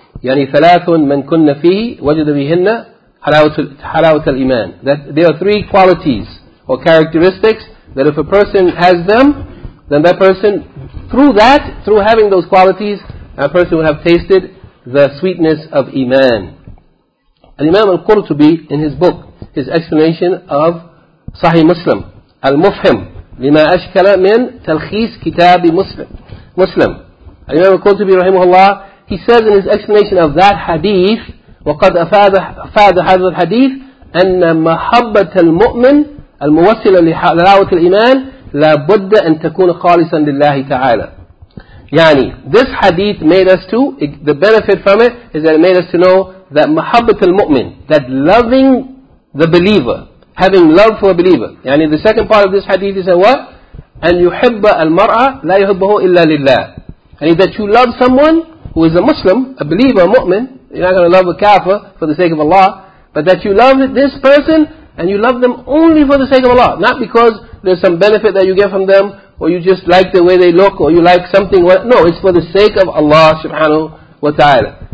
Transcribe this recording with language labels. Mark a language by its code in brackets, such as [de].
[ar] يعني ثلاث من كن فيه وجد بهن حلاوة الإيمان. [en] That there are three qualities or characteristics that if a person has them, then that person, through that, through having those qualities, a person will have tasted the sweetness of Iman. Al-Imam Al-Qurtubi, in his book, his explanation of Sahih Muslim, Al-Mufhim, lima ashkala min talkhis kitabi Muslim. Al-Imam Al-Qurtubi, rahimahullah, he says in his explanation of that hadith, [ar] وَقَدْ أَفَادَ هَذَا الْحَدِيثِ أَنَّ مَحَبَّةَ الْمُؤْمِنِ الموصل لحلاوة الإيمان لابد أن تكون خالصا لله تعالى. [en] يعني this hadith made us to, the benefit from it is that it made us to know that [ar] محبت المؤمن, [en] that loving the believer, having love for a believer. يعني the second part of this hadith is what? [ar] أن يحب المرأة لا يحبه إلا لله. [en] يعني that you love someone who is a Muslim, a believer, a mu'min, you're not going to love a kafir for the sake of Allah, but that you love this person and you love them only for the sake of Allah. Not because there's some benefit that you get from them, or you just like the way they look, or you like something. No, it's for the sake of Allah subhanahu wa ta'ala.